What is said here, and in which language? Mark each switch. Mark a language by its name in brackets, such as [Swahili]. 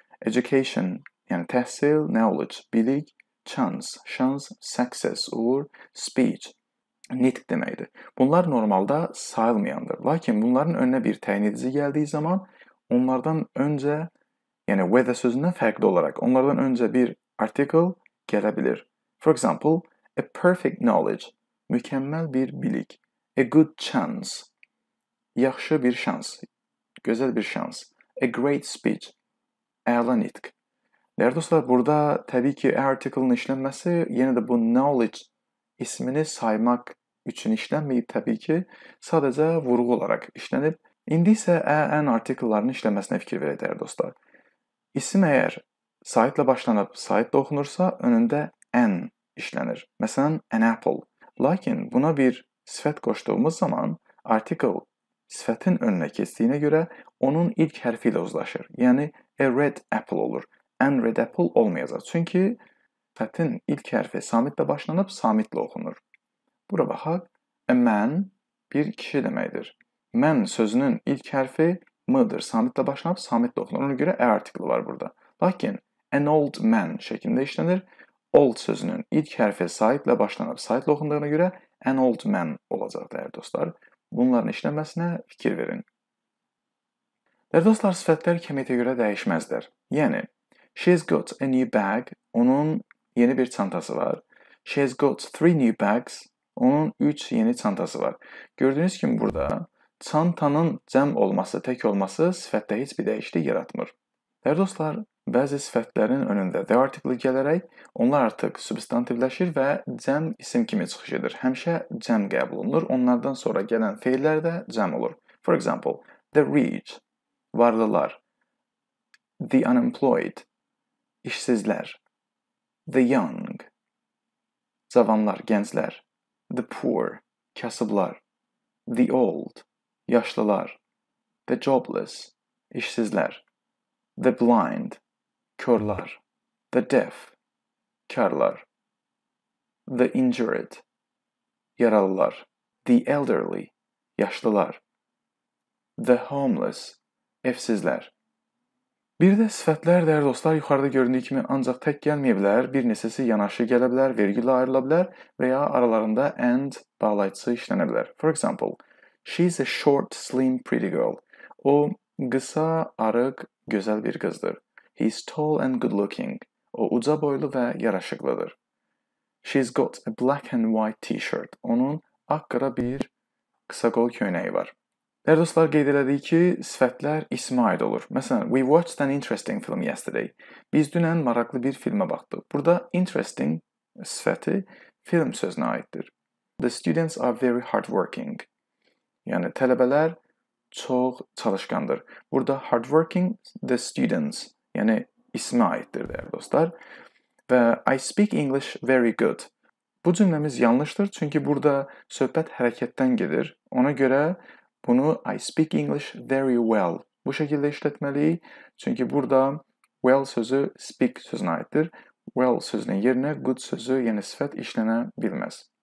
[Azerbaijani] Education, yəni təhsil, knowledge, bilik, chance, şans, success, uğur, speech. Nitq deməkdir. Bunlar normalda sayılmayandır. Lakin bunların önünə bir təyin edici gəldiyi zaman, onlardan öncə, yəni weather sözündən fərqli olaraq, onlardan öncə bir artikl gələ bilir. [English] For example, a perfect knowledge, [Azerbaijani] mükəmməl bir bilik. [English] A good chance, [Azerbaijani] yaxşı bir şans, gözəl bir şans. [English] A great speech, [Azerbaijani] əla nitq. Dəyər dostlar, burada təbii ki, artiklin işlənməsi, yenə də bu knowledge ismini saymaq üçün işlənməyib, təbii ki, sadəcə vurğu olaraq işlənib. İndi isə ən artiklların işlənməsinə fikir verək, dəyər dostlar. İsim əgər saitlə başlanıb, saitlə oxunursa, önündə an işlənir. Məsələn, [English] an apple. [Azerbaijani] Lakin buna bir sifət qoşduğumuz zaman, artikl sifətin önünə keçdiyinə görə onun ilk hərfi ilə uzlaşır. Yəni, [English] a red apple [Azerbaijani] olur. [English] An red apple [Azerbaijani] olmayacaq. Çünki sifətin ilk hərfi samitlə başlanıb, samitlə oxunur. Bura baxaq, [English] a man [Azerbaijani] bir kişi deməkdir. Man sözünün ilk hərfi m-dır, samitlə başlanıb, samitlə oxunur. Ona görə ə artikli var burada. Lakin [English] an old man [Azerbaijani] şeklində işlənir. Old sözünün ilk hərfi sight ilə başlanıb sight ilə oxunduğuna görə an old man olacaq, dəyər dostlar. Bunların işlənməsinə fikir verin. Dəyər dostlar, sifətlər kəmiyyətə görə dəyişməzdir. Yəni, [English] she's got a new bag, [Azerbaijani] onun yeni bir çantası var. [English] She's got three new bags, [Azerbaijani] onun üç yeni çantası var. Gördüyünüz kimi burada çantanın cəm olması, tək olması sifətdə heç bir dəyişiklik yaratmır. Dəyər dostlar, bəzi sifətlərin önündə the article gələrək, onlar artıq substantivləşir və cəm isim kimi çıxış edir. Həmişə cəm qəbul olunur, onlardan sonra gələn feillər də cəm olur. [English] For example, the rich, [Azerbaijani] varlılar, [English] the unemployed, [Azerbaijani] işsizlər, [English] the young, [Azerbaijani] cavanlar, gənclər, [English] the poor, [Azerbaijani] kasıblar, [English] the old, [Azerbaijani] yaşlılar, [English] the jobless, [Azerbaijani] işsizlər, [English] the blind, [Azerbaijani] körlər, [English] the deaf, [Azerbaijani] karlar, [English] the injured, [Azerbaijani] yaralılar, [English] the elderly, yaşlılar, the homeless, [Azerbaijani] evsizlər. Bir də sifətlər, dəyər dostlar, yuxarıda göründüyü kimi ancaq tək gəlməyə bilər, bir neçəsi yanaşı gələ bilər, vergülə ayrıla bilər və ya aralarında and bağlayıcısı işlənə bilər. [English] For example, she's a short, slim, pretty girl. [Azerbaijani] O, qısa, arıq, gözəl bir qızdır. [English] He's tall and good-looking. [Azerbaijani] O, uca boylu və yaraşıqlıdır. [English] She's got a black and white t-shirt. [Azerbaijani] Onun aqqara bir qısa qol köynəyi var. Dəyər dostlar, qeyd elədik ki, sifətlər ismə aid olur. Məsələn, [English] we watched an interesting film yesterday. [Azerbaijani] Biz dünən maraqlı bir filmə baxdıq. Burada interesting sifəti film sözünə aiddir. [English] The students are very hardworking. [Azerbaijani] Yəni, tələbələr çox çalışqandır. Burada hardworking, the students, yəni ismə aiddir, dəyər dostlar. [English] Və I speak English very good. [Azerbaijani] Bu cümləmiz yanlışdır, çünki burada söhbət hərəkətdən gedir. Ona görə, bunu [English] I speak English very well [Azerbaijani] bu şəkildə işlətməliyik, çünki burada well sözü speak sözünə aiddir. Well sözünün yerinə good sözü, yəni sifət işlənə bilməz.